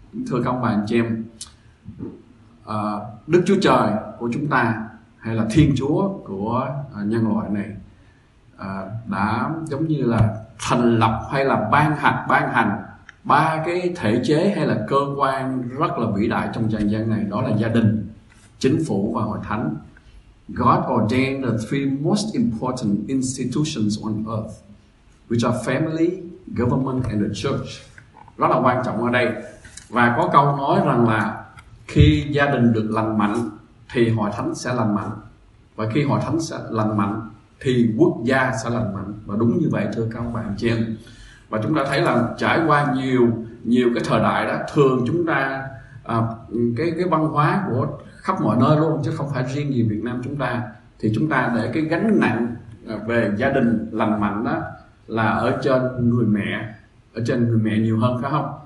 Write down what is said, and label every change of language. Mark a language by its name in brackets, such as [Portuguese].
[Vietnamese] Thưa các bạn chị em, Đức Chúa Trời của chúng ta hay là Thiên Chúa của nhân loại này đã giống như là thành lập hay là ban hành ba cái thể chế hay là cơ quan rất là vĩ đại trong trần gian này, đó là gia đình, chính phủ và hội thánh. [English] God ordained the three most important institutions on earth, which are family, government and the church. [Vietnamese] Rất là quan trọng ở đây. Và có câu nói rằng là khi gia đình được lành mạnh thì hội thánh sẽ lành mạnh, và khi hội thánh sẽ lành mạnh thì quốc gia sẽ lành mạnh. Và đúng như vậy thưa các bạn chị em. Và chúng ta thấy là trải qua nhiều cái thời đại đó, thường chúng ta cái văn hóa của khắp mọi nơi luôn, chứ không phải riêng gì Việt Nam chúng ta, thì chúng ta để cái gánh nặng về gia đình lành mạnh đó là ở trên người mẹ, ở trên người mẹ nhiều hơn, phải không?